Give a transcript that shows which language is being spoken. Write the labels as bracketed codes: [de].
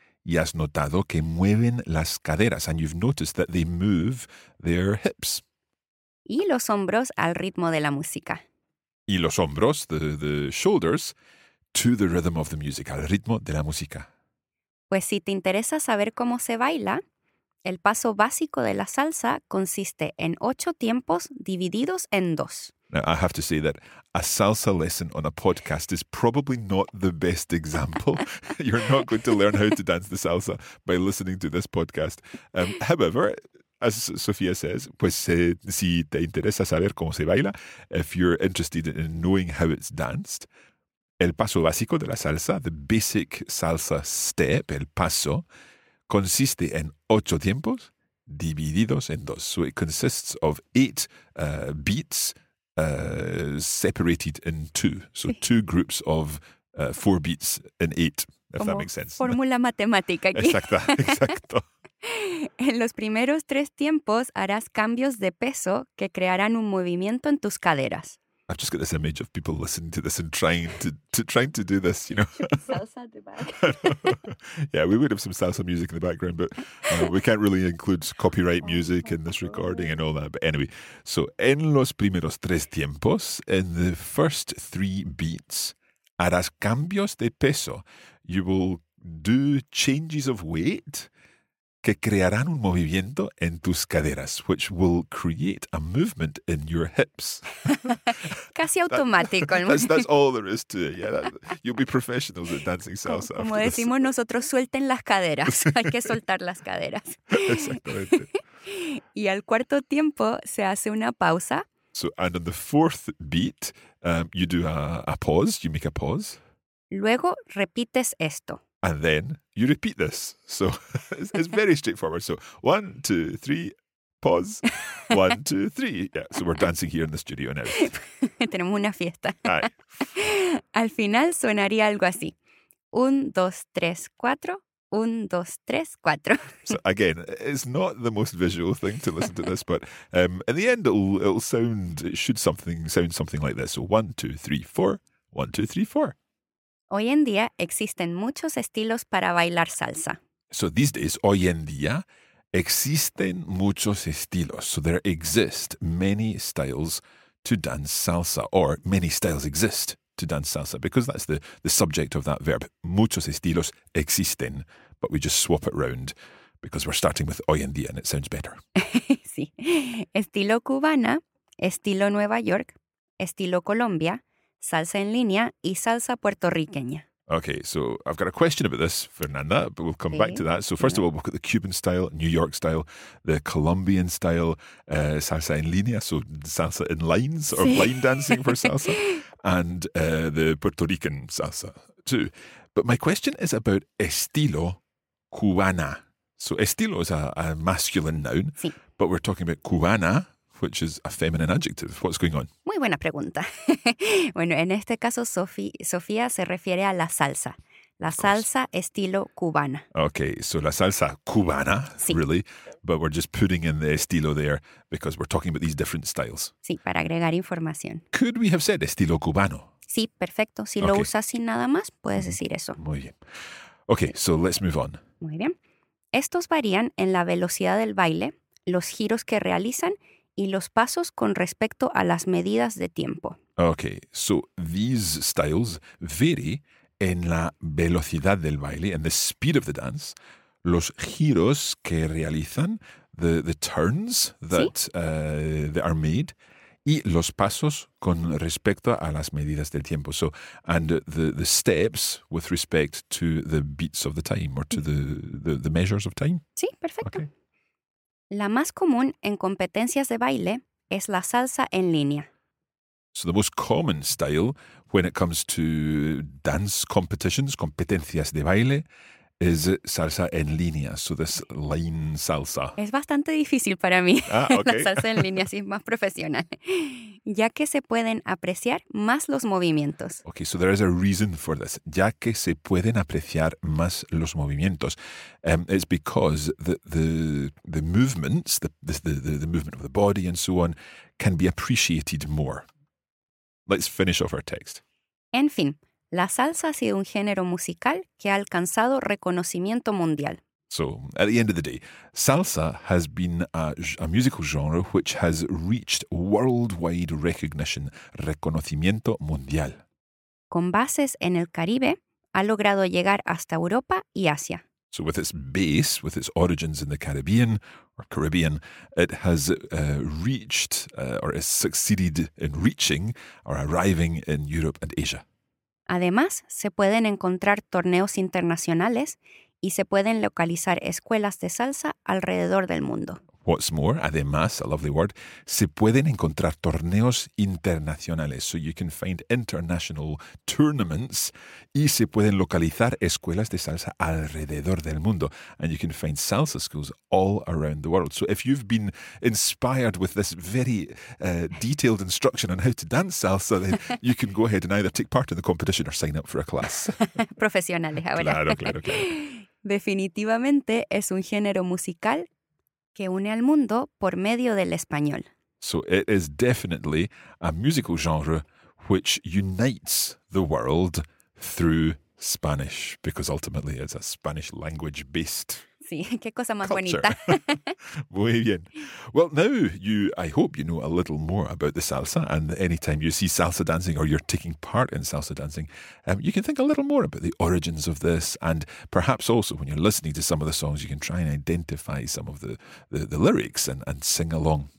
[es] Y has notado que mueven las caderas, [en] and you've noticed that they move their hips. [es] Y los hombros al ritmo de la música. Y los hombros, [en] the shoulders, to the rhythm of the music, [es] al ritmo de la música. Pues si te interesa saber cómo se baila, el paso básico de la salsa consiste en 8 tiempos divididos en 2. [en] Now, I have to say that a salsa lesson on a podcast is probably not the best example. You're not going to learn how to dance the salsa by listening to this podcast. However, as Sofía says, [es] pues si te interesa saber cómo se baila, [en] if you're interested in knowing how it's danced, [es] el paso básico de la salsa, [en] the basic salsa step, [es] el paso, consiste en 8 tiempos divididos en 2. [en] So it consists of 8 beats, separated in 2. So sí. 2 groups of 4 beats in 8, if [es] Como [en] that makes sense. [es] Fórmula matemática aquí. Exacto, exacto. En los primeros 3 tiempos harás cambios de peso que crearán un movimiento en tus caderas. [en] I've just got this image of people listening to this and trying to do this, you know. Salsa in the back. Yeah, we would have some salsa music in the background, but we can't really include copyright music in this recording and all that. But anyway, so [es] en los primeros 3 tiempos, [en] in the first 3 beats, [es] harás cambios de peso. [en] You will do changes of weight [es] que crearán un movimiento en tus caderas, [en] which will create a movement in your hips. [es] Casi automático. [en] That's all there is to it. Yeah, you'll be professionals at dancing salsa. [es] Como decimos [en] this. [es] Nosotros, suelten las caderas. Hay que soltar las caderas. Exactamente. Y al cuarto tiempo se hace una pausa. [en] So, and on the fourth beat, you do a pause, you make a pause. [es] Luego repites esto. [en] And then you repeat this. So it's very straightforward. So 1, 2, 3, pause. 1, 2, 3. Yeah, so we're dancing here in the studio now. [es] Tenemos una fiesta. Aye. Al final sonaría algo así. 1, 2, 3, 4. 1, 2, 3, 4. [en] So again, it's not the most visual thing to listen to this, but in the end it'll sound, it should sound something like this. So 1, 2, 3, 4. 1, 2, 3, 4. [es] Hoy en día existen muchos estilos para bailar salsa. [en] So these days, [es] hoy en día, Existen muchos estilos. [en] So there exist many styles to dance salsa, or many styles exist to dance salsa, because that's the subject of that verb. [es] Muchos estilos existen, [en] but we just swap it around because we're starting with [es] hoy en día [en] and it sounds better. [es] Sí. Estilo cubana, estilo Nueva York, estilo Colombia, salsa en línea y salsa puertorriqueña. [en] Okay, so I've got a question about this, Fernanda, but we'll come back to that. So first of all, we'll look at the Cuban style, New York style, the Colombian style, salsa en línea, so salsa in lines or line dancing for salsa, and the Puerto Rican salsa too. But my question is about estilo cubana. So estilo is a masculine noun, but we're talking about cubana, which is a feminine adjective. What's going on? [es] Muy buena pregunta. Bueno, en este caso, Sofía se refiere a la salsa. La salsa estilo cubana. [en] Okay, so la salsa cubana, really. But we're just putting in the estilo there because we're talking about these different styles. [es] Sí, para agregar información. [en] Could we have said estilo cubano? [es] Sí, perfecto. Si lo usas sin nada más, puedes decir eso. Muy bien. [en] Okay, so let's move on. [es] Muy bien. Estos varían en la velocidad del baile, los giros que realizan y los pasos con respecto a las medidas de tiempo. [en] Okay, so these styles vary [es] en la velocidad del baile, [en] and the speed of the dance, [es] los giros que realizan, [en] the turns that that are made, [es] y los pasos con respecto a las medidas del tiempo. [en] So, and the steps with respect to the beats of the time, or to the measures of time. [es] Sí, perfecto. Okay. La más común en competencias de baile es la salsa en línea. [en] So the most common style when it comes to dance competitions, [es] competencias de baile, [en] is salsa en línea. So this line salsa. [es] Es bastante difícil para mí. [en] Okay. [es] La salsa en línea sí es más profesional. Ya que se pueden apreciar más los movimientos. [en] Okay, so there is a reason for this. [es] Ya que se pueden apreciar más los movimientos. [en] It's because the movements, the movement of the body and so on, can be appreciated more. Let's finish off our text. [es] En fin, la salsa ha sido un género musical que ha alcanzado reconocimiento mundial. [en] So, at the end of the day, salsa has been a musical genre which has reached worldwide recognition, [es] reconocimiento mundial. Con bases en el Caribe, ha logrado llegar hasta Europa y Asia. [en] So, with its base, with its origins in the Caribbean, or Caribbean, it has reached, or has succeeded in reaching, or arriving in Europe and Asia. [es] Además, se pueden encontrar torneos internacionales y se pueden localizar escuelas de salsa alrededor del mundo. [en] What's more, [es] además, [en] a lovely word, [es] se pueden encontrar torneos internacionales. [en] So you can find international tournaments [es] y se pueden localizar escuelas de salsa alrededor del mundo. [en] And you can find salsa schools all around the world. So if you've been inspired with this very detailed instruction on how to dance salsa, then you can go ahead and either take part in the competition or sign up for a class. [es] Profesionales, ahora. Claro, claro, claro. Definitivamente es un género musical que une al mundo por medio del español. [en] So it is definitely a musical genre which unites the world through Spanish, because ultimately it's a Spanish language based. [es] Sí, qué cosa más [en] culture. [es] Bonita. Muy bien. [en] Well, now I hope you know a little more about the salsa, and anytime you see salsa dancing or you're taking part in salsa dancing, you can think a little more about the origins of this, and perhaps also when you're listening to some of the songs, you can try and identify some of the lyrics and sing along.